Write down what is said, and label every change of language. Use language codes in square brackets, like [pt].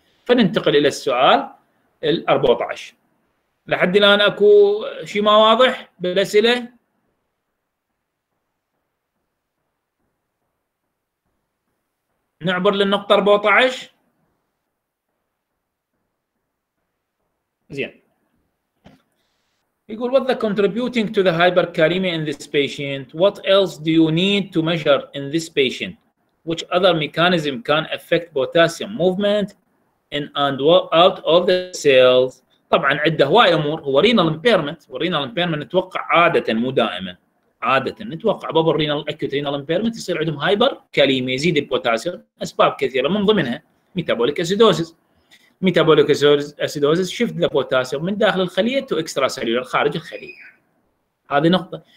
[ar] فننتقل إلى السؤال 14. لحد الآن أكو شيء ما واضح بالأسئلة؟ نعبر للنقطة 14 زين. [en] يقول what the contributing to the hyperkalemia in this patient, what else do you need to measure in this patient, which other mechanism can affect potassium movement in and out of the cells. [ar] طبعا عده هواي امور. هو renal impairment, renal impairment نتوقع عاده مو دائما, عاده نتوقع بابل رينال اكيوت رينال امبيرمنت يصير عندهم هايبر كاليميا, يزيد البوتاسيوم. اسباب كثيره من ضمنها ميتابوليك اسيدوزيس. ميتابوليك اسيدوزيس شفت البوتاسيوم من داخل الخليه تو اكسترا سيلولر خارج الخليه. هذه نقطه.